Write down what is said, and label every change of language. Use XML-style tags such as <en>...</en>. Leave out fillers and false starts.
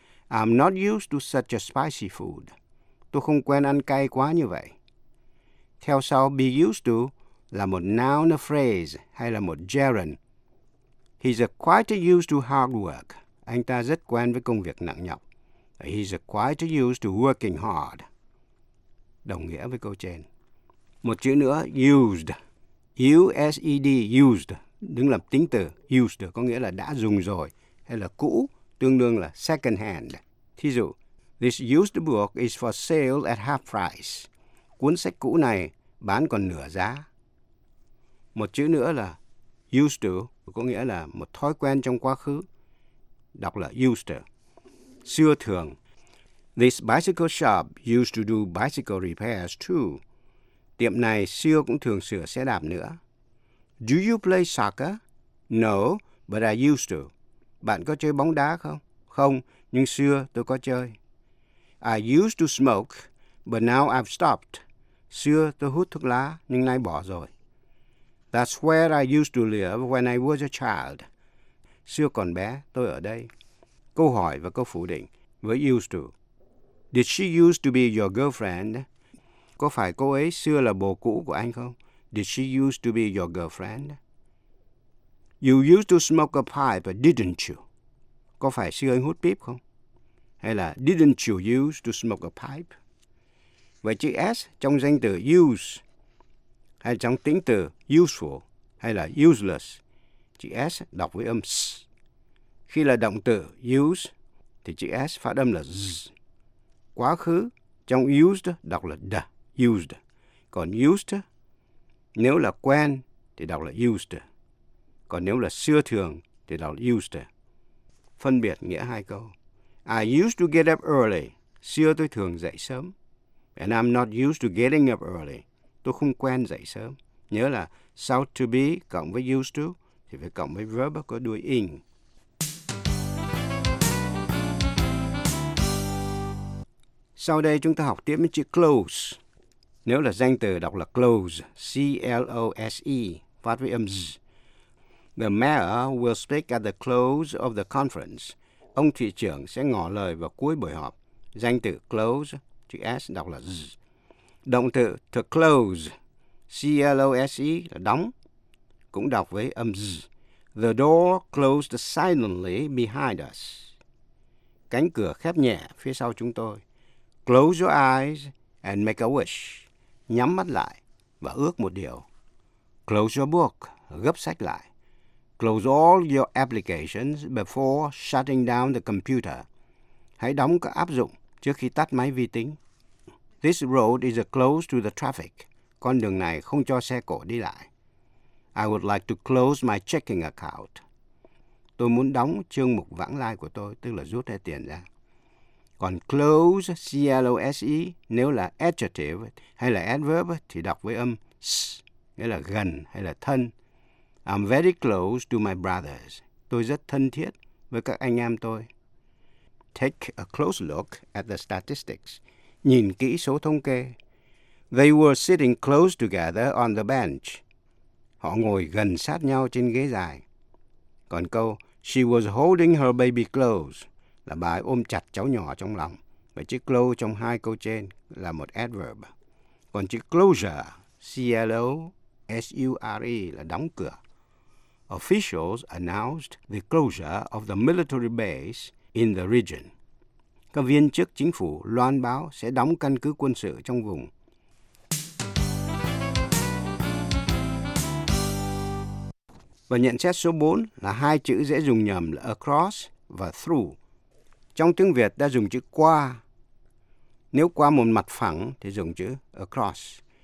<en>I'm not used to such a spicy food.</en> <vi>Tôi không quen ăn cay quá như vậy. Theo sau, be used to là một noun, a phrase, hay là một gerund.</vi> <en>He's quite used to hard work.</en> <vi>Anh ta rất quen với công việc nặng nhọc.</vi> <en>He's quite used to working hard.</en> <vi>Đồng nghĩa với câu trên. Một chữ nữa, used. U-S-E-D, used. Đứng làm tính từ, used có nghĩa là đã dùng rồi, hay là cũ, tương đương là second hand. Thí dụ,</vi> <en>this used book is for sale at half price.</en> <vi>Cuốn sách cũ này bán còn nửa giá. Một chữ nữa là used to, có nghĩa là một thói quen trong quá khứ. Đọc là used to. Xưa thường,</vi> <en>this bicycle shop used to do bicycle repairs too.</en> <vi>Tiệm này xưa cũng thường sửa xe đạp nữa.</vi> <en>Do you play soccer? No, but I used to.</en> <vi>Bạn có chơi bóng đá không? Không, nhưng xưa tôi có chơi.</vi> <en>I used to smoke, but now I've stopped.</en> <vi>Xưa tôi hút thuốc lá, nhưng nay bỏ rồi.</vi> <en>That's where I used to live when I was a child.</en> <vi>Xưa còn bé, tôi ở đây. Câu hỏi và câu phủ định với used to.</vi> <en>Did she used to be your girlfriend?</en> <vi>Có phải cô ấy xưa là bồ cũ của anh không?</vi> <en>Did she used to be your girlfriend? You used to smoke a pipe, didn't you?</en> <vi>Có phải xưa anh hút pip không? Hay là</vi> <en>didn't you used to smoke a pipe?</en> <vi>Vậy chữ S trong danh từ use hay trong tính từ useful hay là useless? Chữ S đọc với âm S. Khi là động từ use thì chữ S phát âm là Z. Quá khứ trong used đọc là D, used. Còn used nếu là quen thì đọc là used. Còn nếu là xưa thường thì đọc là used. Phân biệt nghĩa hai câu.</vi> <en>I used to get up early.</en> <vi>Xưa tôi thường dậy sớm.</vi> <en>And I'm not used to getting up early.</en> <vi>Tôi không quen dậy sớm. Nhớ là sau to be cộng với used to thì phải cộng với verb có đuôi ing. Sau đây chúng ta học tiếp với chữ close. Nếu là danh từ đọc là close, C-L-O-S-E, phát với âm Z.</vi> <en>The mayor will speak at the close of the conference.</en> <vi>Ông thị trưởng sẽ ngỏ lời vào cuối buổi họp. Danh từ close, chữ S đọc là Z. Động từ to close, C-L-O-S-E, là đóng, cũng đọc với âm Z.</vi> <en>The door closed silently behind us.</en> <vi>Cánh cửa khép nhẹ phía sau chúng tôi.</vi> <en>Close your eyes and make a wish.</en> <vi>Nhắm mắt lại và ước một điều.</vi> <en>Close your book,</en> <vi>gấp sách lại.</vi> <en>Close all your applications before shutting down the computer.</en> <vi>Hãy đóng các áp dụng trước khi tắt máy vi tính.</vi> <en>This road is closed to the traffic.</en> <vi>Con đường này không cho xe cộ đi lại.</vi> <en>I would like to close my checking account.</en> <vi>Tôi muốn đóng chương mục vãng lai của tôi, tức là rút hết tiền ra. Còn close, C-L-O-S-E, nếu là adjective hay là adverb thì đọc với âm S, nghĩa là gần hay là thân.</vi> <en>I'm very close to my brothers.</en> <vi>Tôi rất thân thiết với các anh em tôi.</vi> <en>Take a close look at the statistics.</en> <vi>Nhìn kỹ số thống kê.</vi> <en>They were sitting close together on the bench.</en> <vi>Họ ngồi gần sát nhau trên ghế dài. Còn câu,</vi> <en>she was holding her baby close.</en> <vi>Là bà ôm chặt cháu nhỏ trong lòng. Và chữ close trong hai câu trên là một adverb. Còn chữ closure, C-L-O-S-U-R-E, là đóng cửa.</vi> <en>Officials announced the closure of the military base in the region.</en> <vi>Các viên chức chính phủ loan báo sẽ đóng căn cứ quân sự trong vùng. Và nhận xét số 4 là hai chữ dễ dùng nhầm là across và through. Trong tiếng Việt ta dùng chữ qua. Nếu qua một mặt phẳng thì dùng chữ across.</vi>